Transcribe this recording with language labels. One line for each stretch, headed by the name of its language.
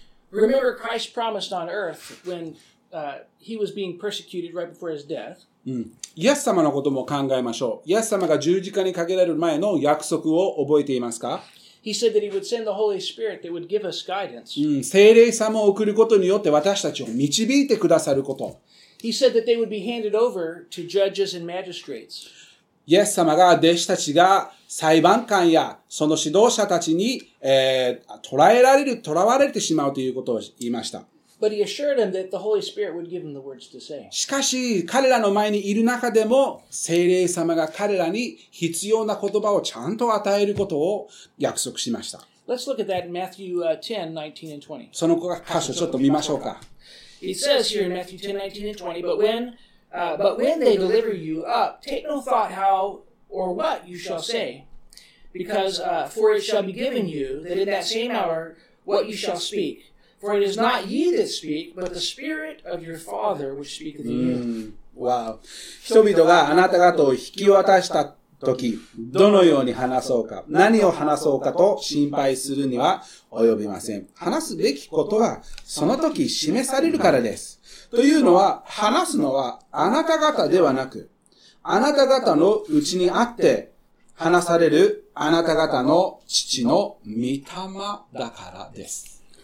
English: Remember Christ promised on earth when he was being persecuted right before his death.
Japanese: イエス様のことも考えましょう。イエス様が十字架にかけられる前の約束を覚えていますか？
English: He said that he would send the Holy Spirit that would give us guidance.
Japanese: 聖霊様を送ることによって私たちを導いてくださること。
English: He said that they would be handed over to judges and magistrates.
Japanese: イエス様が弟子たちが裁判官やその指導者たちに捕らわれてしまうということを言いました。
English: But he assured him that the Holy Spirit would give him the words to say.
Japanese: しかし彼らの前にいる中でも聖霊様が彼らに必要な言葉をちゃんと与えることを約束しました。
English: Let's look at that in Matthew 10:19 and 20.
Japanese: その箇所ちょっと見ましょうか。
English: It says here in Matthew 10:19 and 20, but when But when they deliver you up, take no thought how or what you shall say, because for it shall be given you that in that same hour what you shall speak. For it is not ye that speak, but the Spirit of your Father which speaketh in you. Wow.
Japanese: 人々があなた方を引き渡した時、どのように話そうか、何を話そうかと心配するには及びません。話すべきことはその時示されるからです。というのは、話すのはあなた方ではなく、あなた方のうちにあって話されるあなた方の父の御霊だからです。